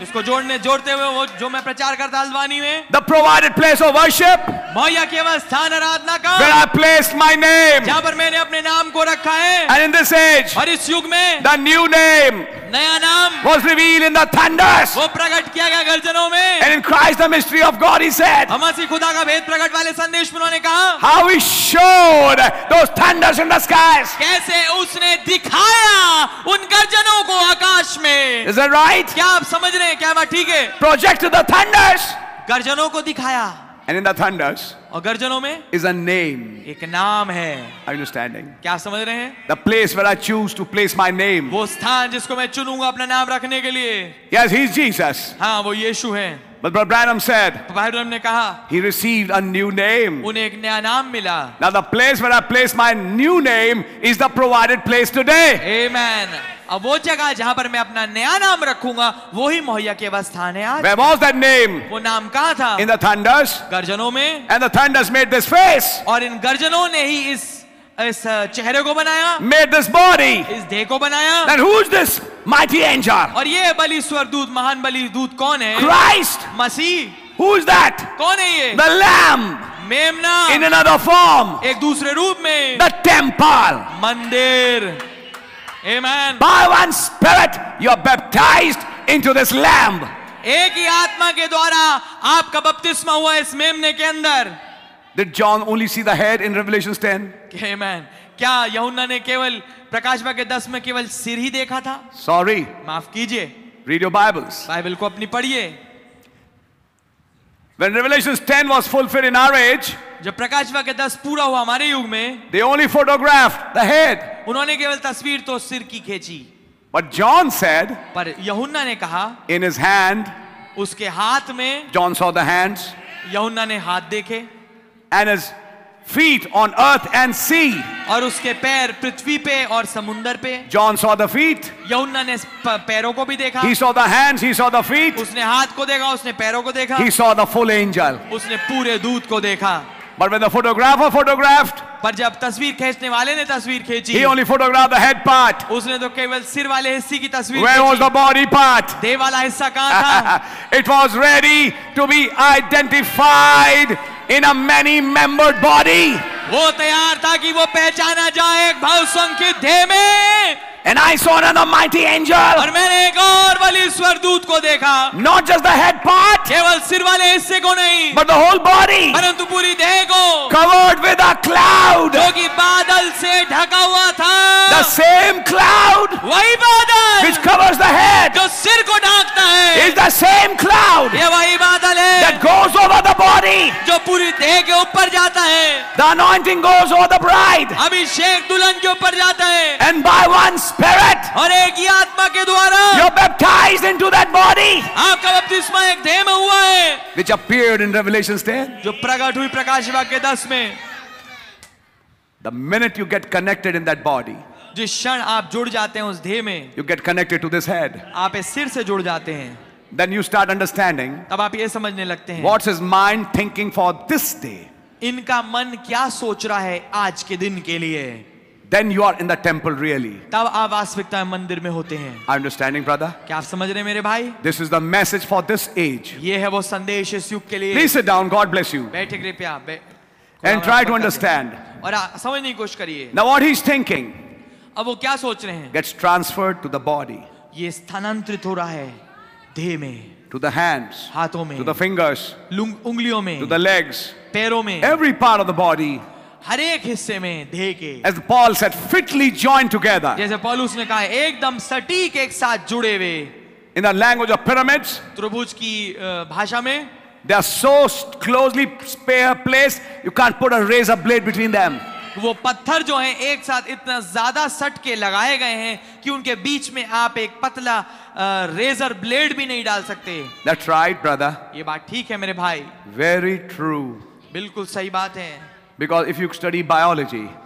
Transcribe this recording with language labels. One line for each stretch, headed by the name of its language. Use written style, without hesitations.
Hindi: इसको जोड़ते हुए वो जो मैं प्रचार करता हल्द्वानी में.
English: The provided place of worship.
Hindi: मौया के वह स्थान आराधना का.
English: Where I placed my name.
Hindi: जहाँ पर मैंने अपने नाम को रखा है.
English: And in this age.
Hindi: और इस युग में.
English: The new name.
Hindi: नया नाम.
English: Was revealed in the thunders.
Hindi: वो प्रकट किया गया गर्जनों में.
English: And in Christ the mystery of God, he said.
Hindi: हमासी खुदा का भेद प्रकट वाले संदेश में उन्होंने कहा.
English: How he showed those thunders in the skies.
Hindi: कैसे उसने दिखाया उन गर्जनों को आकाश में.
English: Is that right?
Hindi: क्या आप समझ रहे हैं? क्या बात ठीक है?
English: Projected the thunders.
Hindi: गर्जनों को दिखाया.
English: And in the thunders.
Hindi: और गर्जनों में.
English: Is a name.
Hindi: एक नाम है.
English: Are you understanding?
Hindi: क्या समझ रहे हैं?
English: The place where I choose to place my name.
Hindi: वो स्थान जिसको मैं चुनूंगा अपना नाम रखने के लिए.
English: Yes, he is Jesus.
Hindi: हाँ, वो यीशु हैं.
English: But Brother Branham said.
Hindi: भाई ब्रैनम ने कहा.
English: He received a new name.
Hindi: उन्हें एक नया नाम मिला.
English: Now the place where I place my new name is the provided place today. Amen.
Hindi: अब वो जगह जहां पर मैं अपना नया नाम रखूंगा वो ही मुहैया के स्थान है आज.
English: Where was that name?
Hindi: वो नाम कहां था?
English: In the thunders.
Hindi: गर्जनों में.
English: And the thunders made this face.
Hindi: और इन गर्जनों ने ही इस चेहरे को बनाया.
English: Made this body.
Hindi: इस देह को बनाया.
English: Then who is this mighty angel?
Hindi: और ये बलि स्वर्गदूत महान बलि दूत कौन है?
English: Christ.
Hindi: Masih.
English: Who is that?
Hindi: कौन है ये?
English: The lamb.
Hindi: मेमना.
English: In another form.
Hindi: एक दूसरे रूप में.
English: The temple.
Hindi: मंदिर. Amen.
English: By one spirit, you are baptized into this lamb.
Hindi: एक ही आत्मा के द्वारा आपका बपतिस्मा हुआ इस मेमने के अंदर.
English: Did John only see the head in Revelation 10? Amen.
Hindi: क्या यहूना ने केवल प्रकाशवाक्य 10 में केवल सिर ही देखा था?
English: Sorry.
Hindi: माफ कीजिए.
English: Read your Bibles.
Hindi: बाइबल को अपनी पढ़िए.
English: When Revelation 10 was fulfilled in our age,
Hindi: जब प्रकाशवाक्य 10 पूरा हुआ हमारे युग में,
English: they only photographed the head.
Hindi: उन्होंने केवल तस्वीर तो सिर की खींची.
English: But John said,
Hindi: पर यहूना ने कहा,
English: in his hand,
Hindi: उसके हाथ में,
English: John saw the hands.
Hindi: यहूना ने हाथ देखे.
English: And his feet on earth and sea.
Hindi: और उसके पैर पृथ्वी पे और समुंदर पे.
English: John saw the feet.
Hindi: यहूना ने पैरों को भी देखा.
English: He saw the hands. He saw the feet.
Hindi: उसने हाथ को देखा. उसने पैरों को देखा.
English: He saw the full angel.
Hindi: उसने पूरे दूत को देखा.
English: But when the photographer photographed,
Hindi: पर जब तस्वीर खींचने वाले ने तस्वीर खींची,
English: he only photographed the head part.
Hindi: उसने तो केवल सिर वाले हिस्से की तस्वीर खींची.
English: Where was the body part?
Hindi: देह वाला हिस्सा कहाँ था?
English: It was ready to be identified in a many-membered body.
Hindi: वो तैयार था कि वो पहचाना जाए एक बहुसंख्यक देह में.
English: And I saw another mighty angel.
Hindi: और मैंने एक और बली स्वर्गदूत को देखा.
English: Not just the head part.
Hindi: केवल सिर वाले हिस्से को नहीं.
English: But the whole body.
Hindi: परंतु पूरी देह को.
English: Covered with a cloud.
Hindi: जो कि बादल से ढका हुआ था.
English: The same cloud.
Hindi: वही बादल.
English: Which covers the head.
Hindi: जो सिर को ढकता है.
English: Is the same cloud.
Hindi: ये वही बादल है.
English: That goes over the body.
Hindi: जो पूरी देह के ऊपर जाता है.
English: The anointing goes over the bride.
Hindi: अभिषेक दुल्हन के ऊपर जाता है.
English: And by one Spirit,
Hindi: और एक ही आत्मा के द्वारा,
English: you're baptized into that body,
Hindi: आपका बपतिस्मा एक देह में हुआ है,
English: which appeared in Revelation 10,
Hindi: जो प्रकट हुई प्रकाशवाक्य 10 में.
English: The minute you get connected in that body,
Hindi: जिस क्षण आप जुड़ जाते हैं उस देह में,
English: you get connected to this head,
Hindi: आप इस सिर से जुड़ जाते हैं.
English: Then you start understanding,
Hindi: तब आप ये समझने लगते हैं,
English: what's his mind thinking for this day,
Hindi: इनका मन क्या सोच रहा है आज के दिन के लिए.
English: Then you are in the temple really.
Hindi: तब आप वास्तविकता में मंदिर में होते हैं.
English: Understanding, brother?
Hindi: क्या आप समझ रहे हैं मेरे भाई?
English: This is the message for this age.
Hindi: ये है वो संदेश इस युग के लिए.
English: Please sit down. God bless you.
Hindi: बैठे कृपया.
English: And try to understand.
Hindi: और समझने की कोशिश करिए.
English: Now what he's thinking?
Hindi: अब वो क्या सोच रहे हैं?
English: Gets transferred to the body.
Hindi: ये स्थानांतरित हो रहा है देह में.
English: To the hands.
Hindi: हाथों में.
English: To the fingers.
Hindi: उंगलियों में.
English: To the legs.
Hindi: पैरों में.
English: Every part of the body.
Hindi: हर एक हिस्से में देह के.
English: As Paul said, fitly joined together.
Hindi: जैसे पौलुस ने कहा, एकदम सटीक एक साथ जुड़े हुए.
English: In the language of pyramids,
Hindi: त्रिभुज की भाषा में,
English: they are so closely placed, you can't put a razor blade between them.
Hindi: वो पत्थर जो हैं एक साथ इतना ज्यादा सट के लगाए गए हैं कि उनके बीच में आप एक पतला रेजर ब्लेड भी नहीं डाल सकते.
English: That's right, brother.
Hindi: ये बात ठीक है मेरे भाई.
English: Very true.
Hindi: बिल्कुल सही बात है.
English: Because if you study biology,